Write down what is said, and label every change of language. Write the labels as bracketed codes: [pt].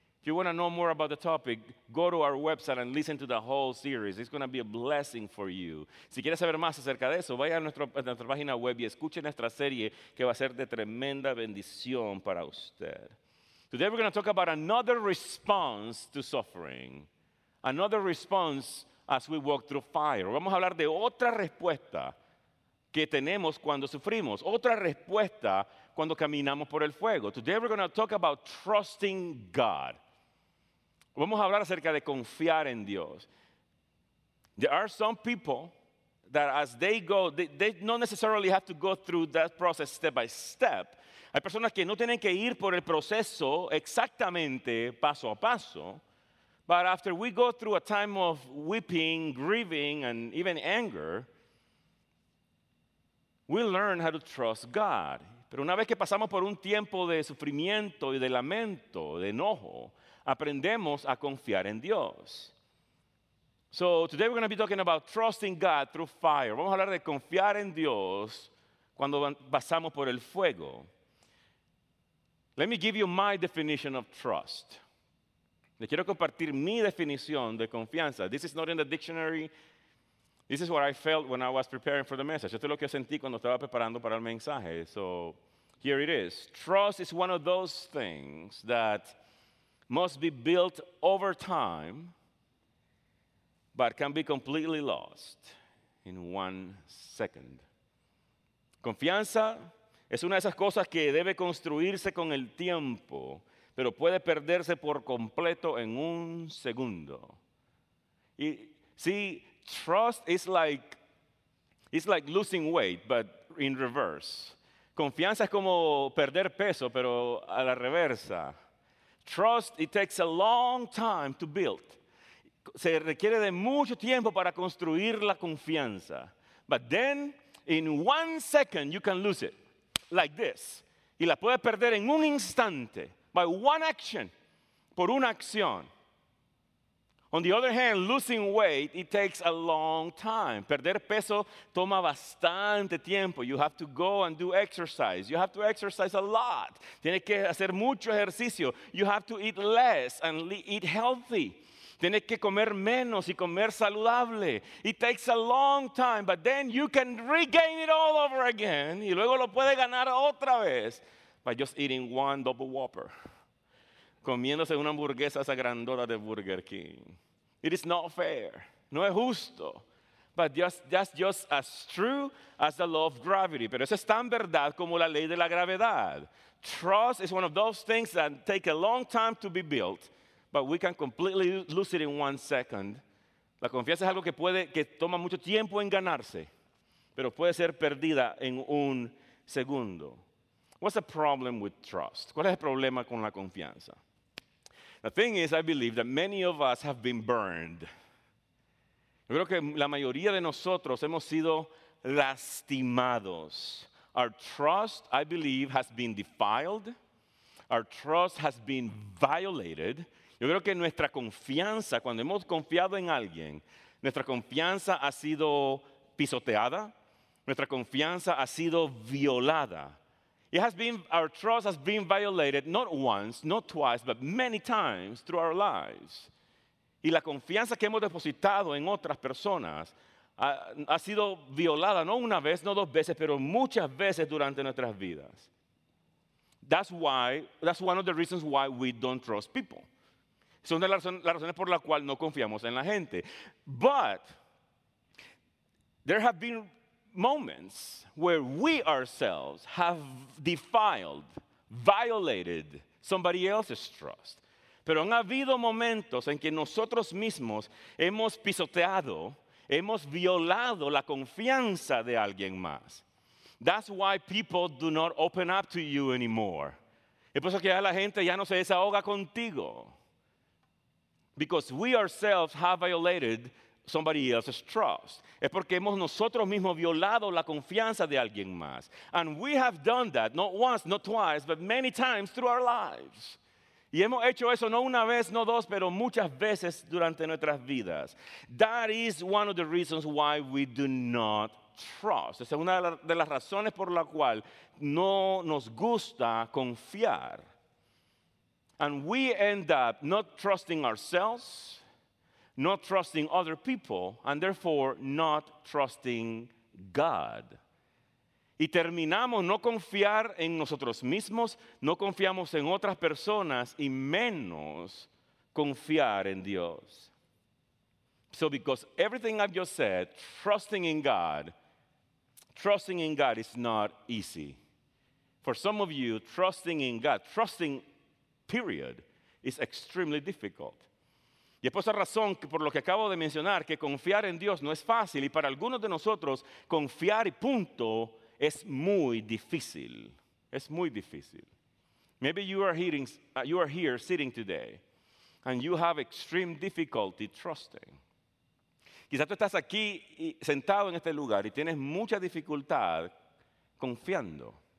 [en] If you want to know more about the topic, go to our website and listen to the whole series. It's going to be a blessing for you. [es] Si quieres saber más acerca de eso, vaya a nuestra página web y escuche nuestra serie que va a ser de tremenda bendición para usted. [en] Today we're going to talk about another response to suffering. Another response as we walk through fire. [es] Vamos a hablar de otra respuesta que tenemos cuando sufrimos. Otra respuesta cuando caminamos por el fuego. [en] Today we're going to talk about trusting God. [es] Vamos a hablar acerca de confiar en Dios. [en] There are some people that as they go, they don't necessarily have to go through that process step by step. [es] Hay personas que no tienen que ir por el proceso exactamente paso a paso. [en] But after we go through a time of weeping, grieving, and even anger, we learn how to trust God. [es] Pero una vez que pasamos por un tiempo de sufrimiento y de lamento, de enojo, aprendemos a confiar en Dios. [en] So today we're going to be talking about trusting God through fire. [es] Vamos a hablar de confiar en Dios cuando pasamos por el fuego. [en] Let me give you my definition of trust. [es] Le quiero compartir mi definición de confianza. [en] This is not in the dictionary. This is what I felt when I was preparing for the message. [es] Esto es lo que sentí cuando estaba preparando para el mensaje. [en] So here it is. Trust is one of those things that must be built over time, but can be completely lost in one second. [es] Confianza es una de esas cosas que debe construirse con el tiempo, pero puede perderse por completo en un segundo. [en] Y, see, trust is like, it's like losing weight, but in reverse. [es] Confianza es como perder peso, pero a la reversa. [en] Trust, it takes a long time to build. [es] Se requiere de mucho tiempo para construir la confianza. [en] But then, in one second, you can lose it. Like this. [es] Y la puedes perder en un instante. [en] By one action. [es] Por una acción. [en] On the other hand, losing weight, it takes a long time. [es] Perder peso toma bastante tiempo. [en] You have to go and do exercise. You have to exercise a lot. [es] Tienes que hacer mucho ejercicio. [en] You have to eat less and eat healthy. [es] Tienes que comer menos y comer saludable. [en] It takes a long time, but then you can regain it all over again. [es] Y luego lo puedes ganar otra vez [en] by just eating one double whopper. [es] Comiéndose una hamburguesa esa grandota de Burger King. [en] It is not fair. [es] No es justo. [en] But that's just as true as the law of gravity. [es] Pero eso es tan verdad como la ley de la gravedad. [en] Trust is one of those things that take a long time to be built, but we can completely lose it in one second. [es] La confianza es algo que toma mucho tiempo en ganarse, pero puede ser perdida en un segundo. [en] What's the problem with trust? [es] ¿Cuál es el problema con la confianza? [en] The thing is, I believe that many of us have been burned. [es] Yo creo que la mayoría de nosotros hemos sido lastimados. [en] Our trust, I believe, has been defiled. Our trust has been violated. [es] Yo creo que nuestra confianza, cuando hemos confiado en alguien, nuestra confianza ha sido pisoteada. Nuestra confianza ha sido violada. [en] Our trust has been violated not once, not twice, but many times through our lives. [es] Y la confianza que hemos depositado en otras personas ha sido violada no una vez, no dos veces, pero muchas veces durante nuestras vidas. [en] That's one of the reasons why we don't trust people. [es] Es una de las razones por la cual no confiamos en la gente. [en] But there have been moments where we ourselves have defiled, violated somebody else's trust. [es] Pero han habido momentos en que nosotros mismos hemos pisoteado, hemos violado la confianza de alguien más. [en] That's why people do not open up to you anymore. [es] Es por eso que ya la gente ya no se desahoga contigo. [en] Because we ourselves have violated somebody else's trust. [es] Es porque hemos nosotros mismos violado la confianza de alguien más. [en] And we have done that, not once, not twice, but many times through our lives. [es] Y hemos hecho eso no una vez, no dos, pero muchas veces durante nuestras vidas. [en] That is one of the reasons why we do not trust. [es] Esa es una de las razones por la cual no nos gusta confiar. [en] And we end up not trusting ourselves, not trusting other people, and therefore not trusting God. [es] Y terminamos no confiar en nosotros mismos, no confiamos en otras personas, y menos confiar en Dios. [en] So because everything I've just said, trusting in God is not easy. For some of you, trusting, period, is extremely difficult. [es] Y es por esa razón, por lo que acabo de mencionar, que confiar en Dios no es fácil. Y para algunos de nosotros, confiar y punto, es muy difícil. Es muy difícil. [en] Maybe you are here sitting today, and you have extreme difficulty trusting. [es] Quizás tú estás aquí, sentado en este lugar, y tienes mucha dificultad confiando.